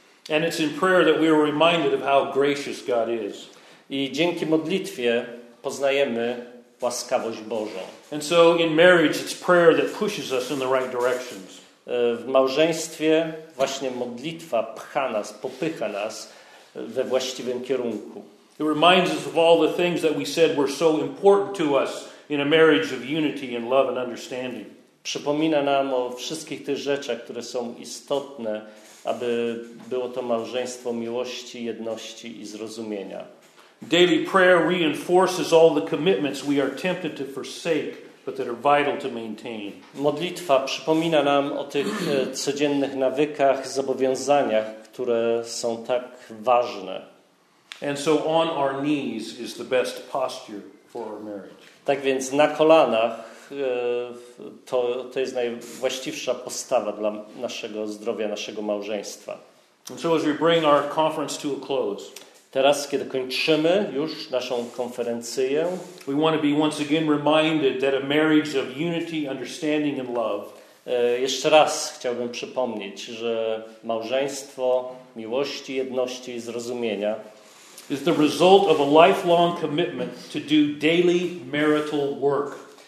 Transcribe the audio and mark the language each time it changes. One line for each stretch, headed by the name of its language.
English: And it's in prayer that we are reminded of how gracious God is.
Polish: I dzięki modlitwie poznajemy łaskawość Bożą.
English: And so in marriage it's prayer that pushes us in the right directions.
Polish: W małżeństwie właśnie modlitwa pcha nas, popycha nas we właściwym kierunku.
English: It reminds us of all the things that we said were so important to us in a marriage of unity and love and understanding.
Polish: Przypomina nam o wszystkich tych rzeczach, które są istotne, aby było to małżeństwo miłości, jedności i zrozumienia.
English: Daily prayer reinforces all the commitments we are tempted to forsake, but that are vital to maintain.
Polish: Modlitwa przypomina nam o tych codziennych nawykach, zobowiązaniach, które są tak ważne.
English: And so on our knees is the best posture for our marriage.
Polish: Tak więc na kolanach to jest najwłaściwsza postawa dla naszego zdrowia, naszego małżeństwa.
English: And so as we bring our conference to a close,
Polish: teraz, kiedy kończymy już naszą konferencję,
English: we want to be once again reminded that a marriage of unity, understanding and love,
Polish: jeszcze raz chciałbym przypomnieć, że małżeństwo miłości, jedności i zrozumienia
English: is the result of a lifelong commitment to do daily marital work.